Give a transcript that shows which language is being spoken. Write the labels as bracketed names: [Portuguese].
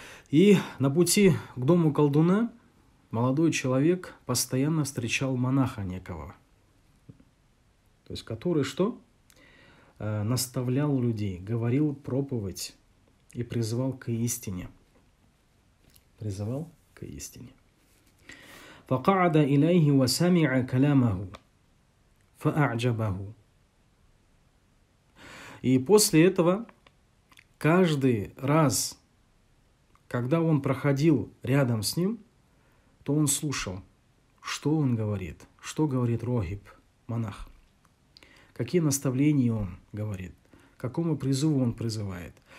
[Russian] И на пути к дому колдуна молодой человек постоянно встречал монаха некого, то есть который что? Наставлял людей, говорил проповедь и призывал к истине. Призывал к истине. [Arabic] فقعد إليه وسمع كلامه فأعجبه. [Russian] И после этого каждый раз, когда он проходил рядом с ним, то он слушал, что он говорит, что говорит рогиб, монах, какие наставления он говорит, какому призыву он призывает.